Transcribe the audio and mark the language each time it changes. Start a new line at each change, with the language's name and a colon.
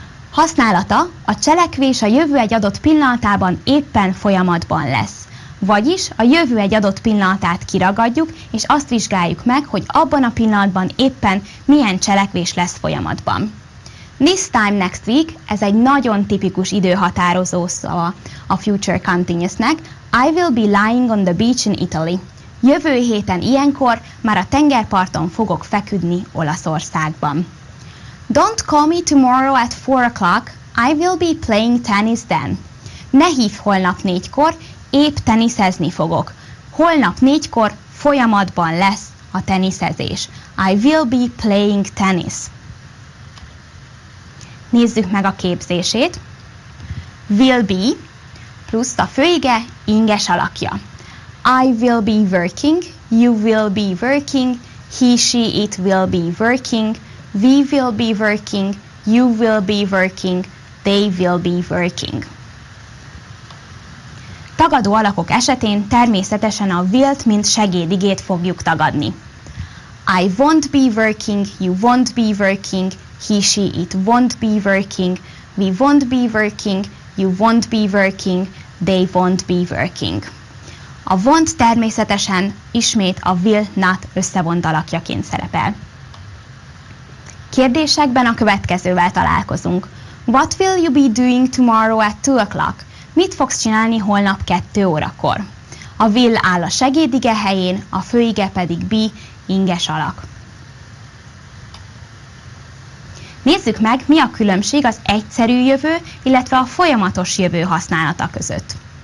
Hungarian: Használata: a cselekvés a jövő egy adott pillanatában éppen folyamatban lesz. Vagyis a jövő egy adott pillanatát kiragadjuk, és azt vizsgáljuk meg, hogy abban a pillanatban éppen milyen cselekvés lesz folyamatban.
English: This time next week,
Hungarian: ez egy nagyon tipikus időhatározó szava a future continuous-nek.
English: I will be lying on the beach in Italy.
Hungarian: Jövő héten ilyenkor már a tengerparton fogok feküdni Olaszországban.
English: Don't call me tomorrow at 4 o'clock. I will be playing tennis then.
Hungarian: Ne hívj holnap 4-kor. Épp teniszezni fogok. Holnap 4-kor folyamatban lesz a teniszezés.
English: I will be playing tennis.
Hungarian: Nézzük meg a képzését. Will be plusz a főige, inges alakja.
English: I will be working, you will be working, he, she, it will be working, we will be working, you will be working, they will be working.
Hungarian: Tagadó alakok esetén természetesen a will-t, mint segédigét fogjuk tagadni.
English: I won't be working, you won't be working, he, she, it won't be working, we won't be working, you won't be working, they won't be working.
Hungarian: A won't természetesen ismét a will not összevont alakjaként szerepel. Kérdésekben a következővel találkozunk.
English: What will you be doing tomorrow at 2 o'clock?
Hungarian: Mit fogsz csinálni holnap 2 órakor? A will áll a segédige helyén, a főige pedig be, inges alak. Nézzük meg, mi a különbség az egyszerű jövő, illetve a folyamatos jövő használata között.